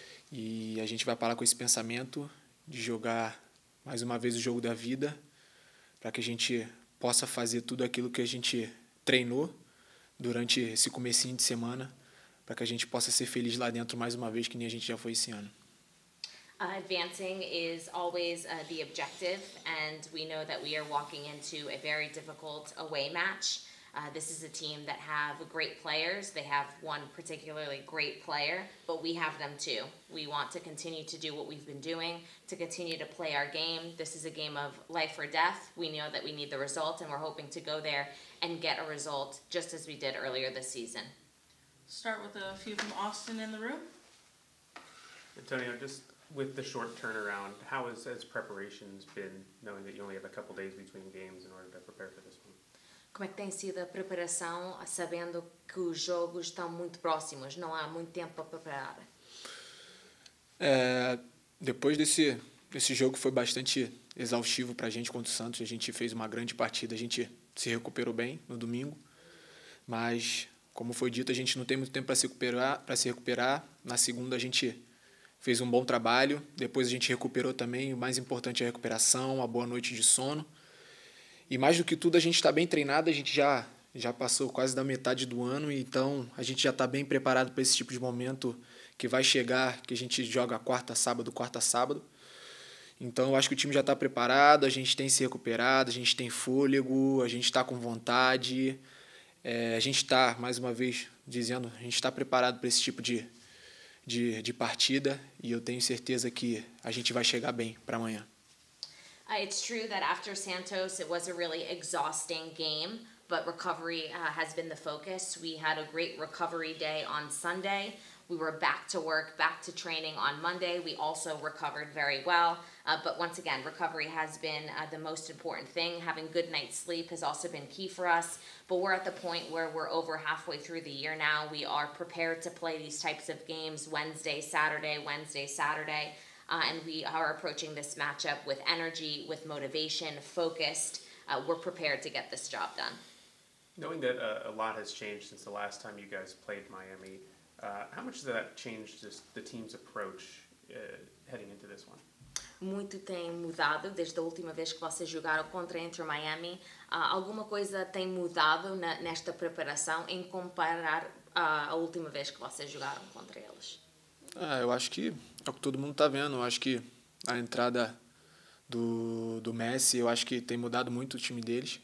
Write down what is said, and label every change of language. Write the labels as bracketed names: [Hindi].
[Portuguese] E a gente vai parar com esse pensamento de jogar mais uma vez o jogo da vida, para que a gente possa fazer tudo aquilo que a gente treinou durante esse comecinho de semana, para que a gente possa ser feliz lá dentro mais uma vez, que nem a gente já foi esse ano. [English] Advancing is always the objective, and we know that we are walking into a very difficult away match. This is a team that have great players. They have one particularly great player, but we have them too. We want to continue to do what we've been doing, to continue to play our game. This is a game of life or death. We know that we need the result, and we're hoping to go there and get a result just as we did earlier this season. Start with a few from Austin in the room. Antonio, just with the short turnaround, how has preparations been, knowing that you only have a couple days between games in order to prepare for this one? [Portuguese] Como é que tem sido a preparação, sabendo que os jogos estão muito próximos, não há muito tempo para preparar? Depois desse jogo, que foi bastante exaustivo para a gente contra o Santos, a gente fez uma grande partida, a gente se recuperou bem no domingo, mas, como foi dito, a gente não tem muito tempo para se recuperar, na segunda a gente fez um bom trabalho, depois a gente recuperou também, o mais importante é a recuperação, a boa noite de sono. E mais do que tudo, a gente está bem treinado, a gente já passou quase da metade do ano, então a gente já está bem preparado para esse tipo de momento que vai chegar, que a gente joga quarta sábado. Então eu acho que o time já está preparado, a gente tem se recuperado, a gente tem fôlego, a gente está com vontade, a gente está, mais uma vez, dizendo, a gente está preparado para esse tipo de partida e eu tenho certeza que a gente vai chegar bem para amanhã. [English] It's true that after Santos, it was a really exhausting game, but recovery has been the focus. We had a great recovery day on Sunday. We were back to work, back to training on Monday. We also recovered very well. But once again, recovery has been the most important thing. Having good night's sleep has also been key for us. But we're at the point where we're over halfway through the year now. We are prepared to play these types of games Wednesday, Saturday. And we are approaching this matchup with energy, with motivation, focused. We're prepared to get this job done. Knowing that a lot has changed since the last time you guys played Miami, how much does that change just the team's approach heading into this one? [Portuguese] Muito tem mudado desde a última vez que vocês jogaram contra Inter Miami. Alguma coisa tem mudado nesta preparação em comparar a última vez que vocês jogaram contra eles? Eu acho que é o que todo mundo está vendo. Eu acho que a entrada do Messi, eu acho que tem mudado muito o time deles.